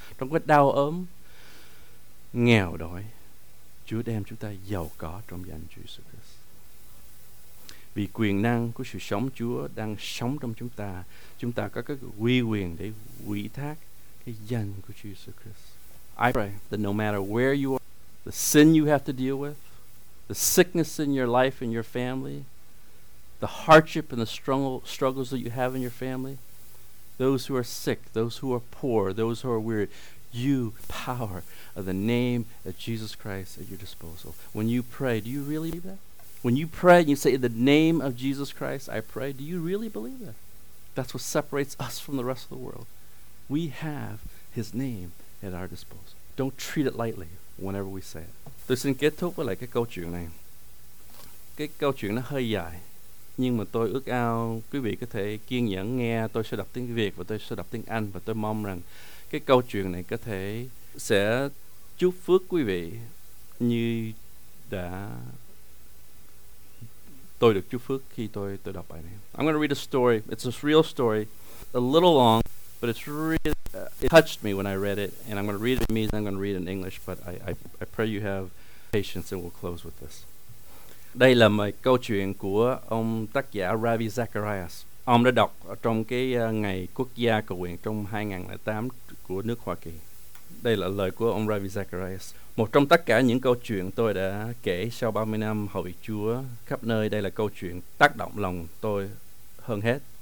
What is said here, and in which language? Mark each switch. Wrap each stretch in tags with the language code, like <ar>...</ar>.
<vi>Trong cái đau ốm, nghèo đói, Chúa đem chúng ta giàu có trong danh Jesus Christ. Vì quyền năng của sự sống Chúa đang sống trong chúng ta có cái quy quyền để ủy thác cái danh của Jesus Christ.</vi> <en>I pray that no matter where you are, the sin you have to deal with, the sickness in your life and your family, the hardship and the struggles that you have in your family, those who are sick, those who are poor, those who are weary, you, power of the name of Jesus Christ at your disposal. When you pray, do you really believe that? When you pray and you say, in the name of Jesus Christ, I pray, do you really believe that? That's what separates us from the rest of the world. We have his name at our disposal. Don't treat it lightly whenever we say it.</en> <vi>Tôi xin kết thúc với lại cái câu chuyện này. Cái câu chuyện nó hơi dài, nhưng mà tôi ước ao quý vị có thể kiên nhẫn nghe. Tôi sẽ đọc tiếng Việt và tôi sẽ đọc tiếng Anh, và tôi mong rằng cái câu chuyện này có thể sẽ chúc phước quý vị như đã tôi được chúc phước khi tôi đọc bài này.</vi> <en>I'm going to read a story. It's a real story, a little long, but it's really it touched me when I read it, and I'm going to read it in Vietnamese, and I'm going to read it in English, but I pray you have patience, and we'll close with this.</en> <vi>Đây là một câu chuyện của ông tác giả Ravi Zacharias. Ông đã đọc trong cái ngày quốc gia cầu nguyện trong 2008 của nước Hoa Kỳ. Đây là lời của ông Ravi Zacharias. Một trong tất cả những câu chuyện tôi đã kể sau 30 năm hầu việc Chúa khắp nơi, đây là câu chuyện tác động lòng tôi hơn hết.</vi>